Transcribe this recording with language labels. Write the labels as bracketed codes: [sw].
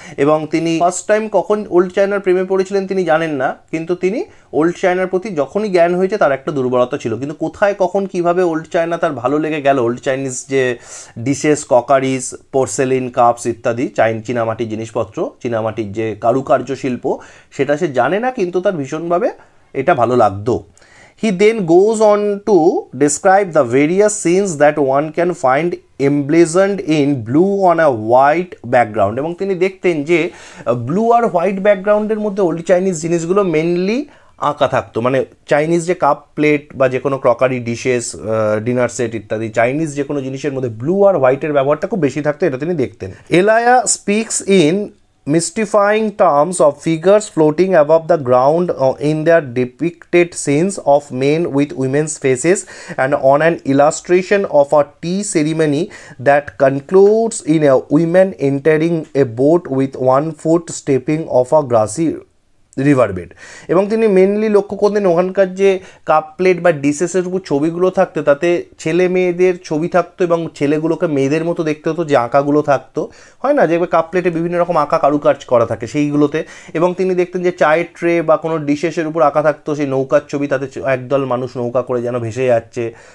[bn] এবং তিনি first time কখন ওল্ড চায়নার প্রেমে পড়েছিলেন তিনি জানেন না, কিন্তু তিনি ওল্ড চায়নার প্রতি যখনই জ্ঞান হয়েছে তার একটা দুর্বলতা ছিল, কিন্তু কোথায় কখন কীভাবে ওল্ড চায়না তার ভালো লেগে গেল, ওল্ড চাইনিজ যে ডিশেস, ককারিস, পোর্সেলিন, কাপস ইত্যাদি, চীনামাটির জিনিসপত্র, চীনামাটির যে কারুকার্য শিল্প, সেটা সে জানে না কিন্তু তার ভীষণভাবে এটা ভালো লাগতো। [en] He then goes on to describe the various scenes that one can find emblazoned in blue on a white background. [bn] এবং তিনি দেখতেন যে ব্লু আর হোয়াইট ব্যাকগ্রাউন্ডের মধ্যে ওল্ড চাইনিজ জিনিসগুলো মেনলি আঁকা থাকতো, মানে চাইনিজ যে কাপ প্লেট বা যে কোনো ক্রকারি ডিশেস, ডিনার সেট ইত্যাদি, চাইনিজ যে কোনো জিনিসের মধ্যে ব্লু আর হোয়াইটের ব্যবহারটা খুব বেশি থাকতো, এটা তিনি দেখতেন। [en] এলায়া speaks in mystifying terms of figures floating above the ground in their depicted scenes of men with women's faces and on an illustration of a tea ceremony that concludes in a woman entering a boat with one foot stepping off a grassy riverbed. [bn] এবং তিনি mainly লক্ষ্য করতেন ওখানকার যে cup plate বা ডিশেসের উপর ছবিগুলো থাকতো, তাতে ছেলে মেয়েদের ছবি থাকতো এবং ছেলেগুলোকে মেয়েদের মতো দেখতে হতো, যে আঁকাগুলো থাকতো, হয় না, যে কাপ প্লেটে বিভিন্ন রকম আঁকা কারুকাজ করা থাকে সেইগুলোতে। এবং তিনি দেখতেন যে চায়ের ট্রে বা কোনো ডিশেসের উপর আঁকা থাকতো সেই নৌকার ছবি, তাতে একদল মানুষ নৌকা করে যেন ভেসে যাচ্ছে,